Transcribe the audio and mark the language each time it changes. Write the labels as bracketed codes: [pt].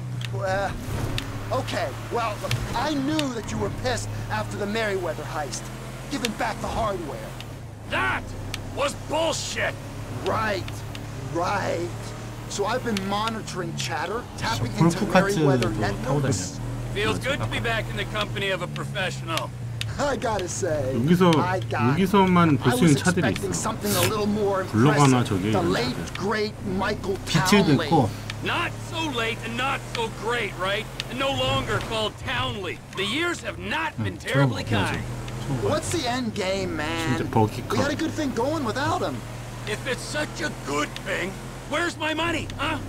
[en] Okay. Well, look, I knew that you were pissed after the Meriwether heist. giving back the hardware. That was bullshit! Right, right. So I've been monitoring chatter, tapping into Meriwether networks. Feels good to be back in the company of a professional. I gotta say, [ko] 여기서만 볼 수 있는 차들이 있어. 불러가나 저기. [en] The late great Michael Townley. Not so late and not so great, right? And no longer called Townley. The years have not been terribly kind. What's the end game, man? We had a good thing going without him. If it's such a good thing, where's my money, huh?